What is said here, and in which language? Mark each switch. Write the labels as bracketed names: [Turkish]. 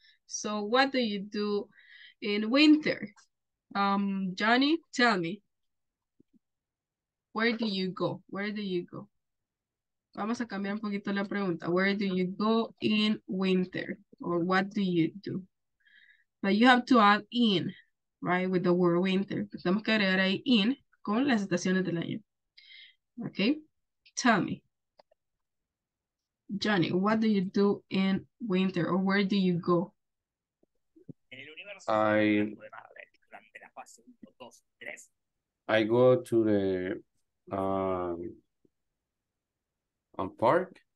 [English] So what do you do in winter? Johnny, tell me, where do you go? Where do you go? [Spanish] Vamos a cambiar un poquito la pregunta. [English] Where do you go in winter? Or what do you do? But you have to add in, right, with the word winter. [Spanish] Tenemos que agregar ahí in con las estaciones del año. [English] Okay, tell me, Johnny, what do you do in winter? Or where do you go? I go to the park.